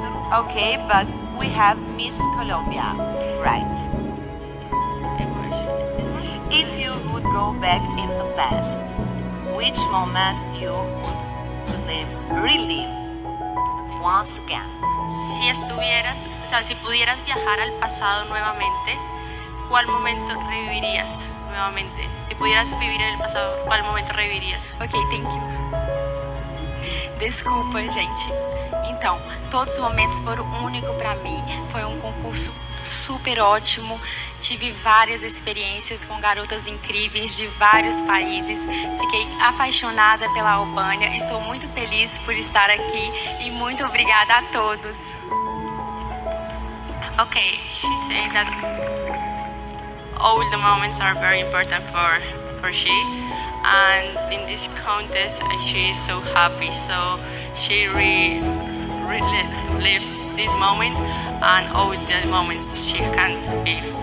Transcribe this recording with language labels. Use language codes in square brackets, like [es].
[en] Okay, but we have Miss Colombia, right? If you would go back in the past, which moment you would relive once again? [es] Si estuvieras, o sea, si pudieras viajar al pasado nuevamente, ¿cuál momento revivirías nuevamente? Si pudieras vivir en el pasado, ¿cuál momento revivirías? [en] Ok, thank you. [pt] Desculpa, gente. Então, todos os momentos foram únicos para mim. Foi um concurso super ótimo. Tive várias experiências com garotas incríveis de vários países. Fiquei apaixonada pela Albânia e sou muito feliz por estar aqui. E muito obrigada a todos. [en] Ok, she said that all the moments are very important for she. And in this contest, she is so happy. So she really lives this moment and all the moments she can be.